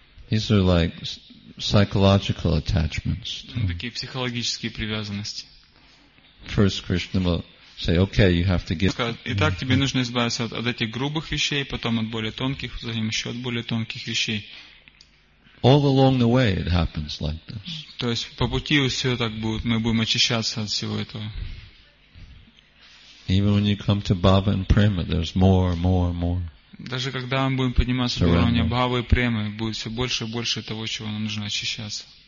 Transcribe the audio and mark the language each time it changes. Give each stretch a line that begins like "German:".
English: These are like psychological attachments.
Russian: Такие психологические привязанности.
English: First Krishna will say, okay, you have to get.
Russian: Итак, тебе нужно избавиться от этих грубых вещей, потом от более тонких, затем еще от более тонких вещей.
English: All along the way, it happens like this.
Russian: То есть по пути все так будет. Мы будем очищаться от всего этого.
English: Even when you come to Bhava and Prema, there's more, more, more.
Russian: Даже когда мы будем подниматься до уровня Бхавы и Премы, будет все больше и больше того, чего нам нужно очищаться.